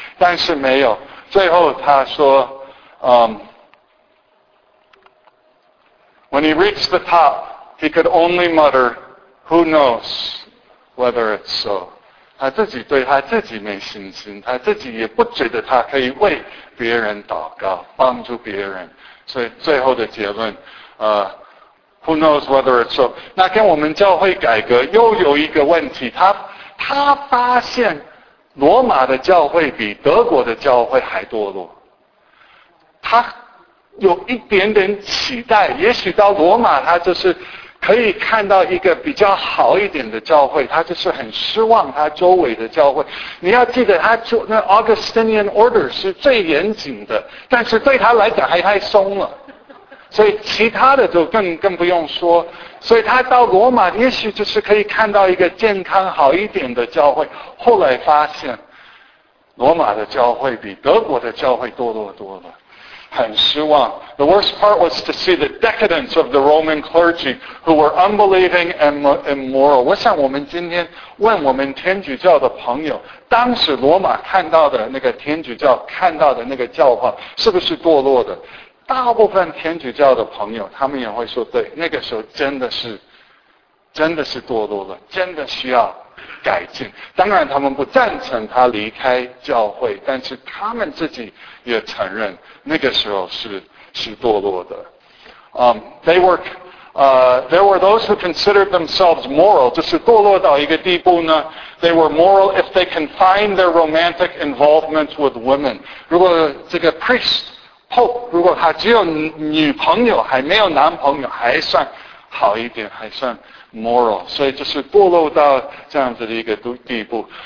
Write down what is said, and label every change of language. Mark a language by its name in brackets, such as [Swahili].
[Chinese] 但是没有，最后他说 [English] when he reached the top, he could only mutter, who knows whether it's so. [Chinese] 他自己对他自己没信心，他自己也不觉得他可以为别人祷告，帮助别人。所以最后的结论 [English] who knows whether it's so. [Chinese] 那跟我们教会改革又有一个问题，他发现罗马的教会比德国的教会还堕落。他有一点点期待，也许到罗马他就是可以看到一个比较好一点的教会，他就是很失望他周围的教会。你要记得他做那 Augustinian Order 是最严谨的，但是对他来讲还太松了，所以其他的就更不用说。所以他到罗马也许就是可以看到一个健康好一点的教会，后来发现罗马的教会比德国的教会堕落多了，很失望。 [English] The worst part was to see the decadence of the Roman clergy who were unbelieving and immoral. [Chinese] 我想我们今天问我们天主教的朋友，当时罗马看到的那个天主教看到的那个教皇是不是堕落的？大部分天主教的朋友他们也会说对，那个时候真的是堕落了，真的需要改进。当然他们不赞成他离开教会，但是他们自己也承认那个时候是堕落的。 [English] There were those who considered themselves moral, [Chinese] 就是堕落到一个地步呢， [English] they were moral if they confined their romantic involvement with women. [Chinese] 如果这个 priest, pope, 如果他只有女朋友还没有男朋友还算好一点，还算moral, 所以就是堕落到这样子的一个地步。